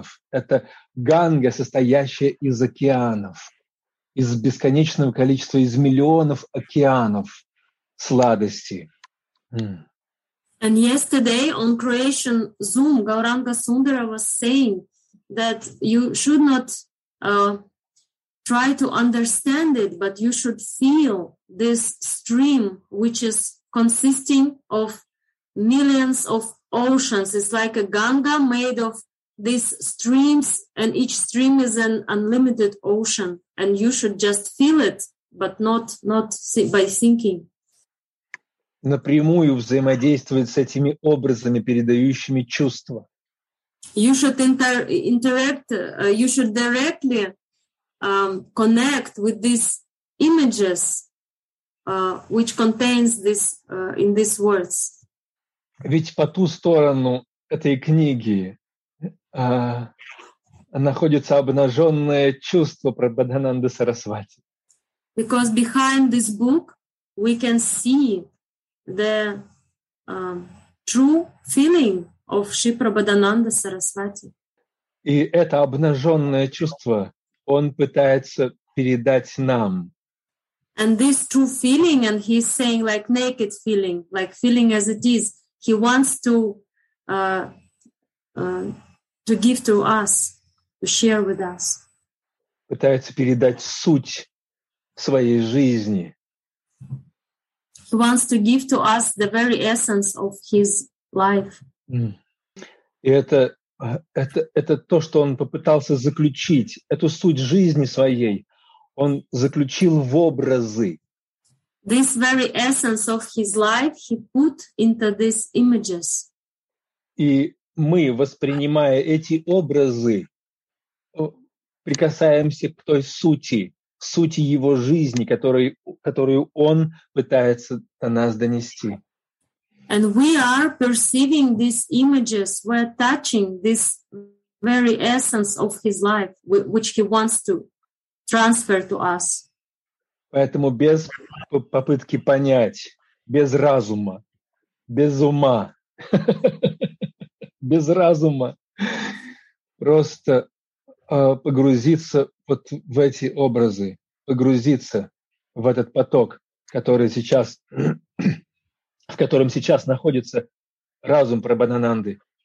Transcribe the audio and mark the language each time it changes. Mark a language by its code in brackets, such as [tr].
[ru] Это Ганга, состоящая из океанов, из бесконечного количества, из миллионов океанов сладости. [en] And yesterday on Creation Zoom, Gauranga Sundara was saying that you should not try to understand it, but you should feel this stream, which is consisting of millions of oceans. It's like a Ganga made of these streams, and each stream is an unlimited ocean, and you should just feel it, but not by thinking. [ru] Напрямую взаимодействовать с этими образами, передающими чувства. [en] You should directly connect with these images, which contains this in these words. [ru] Ведь по ту сторону этой книги находится обнаженное чувство Прабхадананда Сарасвати. [en] Because behind this book we can see the true feeling of Shri Prabhadananda Sarasvati. [ru] И это обнаженное чувство он пытается передать нам. [en] And this true feeling, and he's saying like naked feeling, like feeling as it is, he wants to give to us, to share with us. [ru] Пытается передать суть своей жизни. [en] He wants to give to us the very essence of his life. [ru] И это то, что он попытался заключить, эту суть жизни своей, он заключил в образы. [en] This very essence of his life he put into these images. [ru] И мы, воспринимая эти образы, прикасаемся к той сути его жизни, которую он пытается до нас донести. [en] And we are perceiving these images, we're touching this very essence of his life, which he wants to transfer to us. [ru] Поэтому без попытки понять, без разума, без ума, без разума, просто погрузиться вот в эти образы, погрузиться в этот поток, который сейчас, в котором сейчас находится разум Прабхадананды.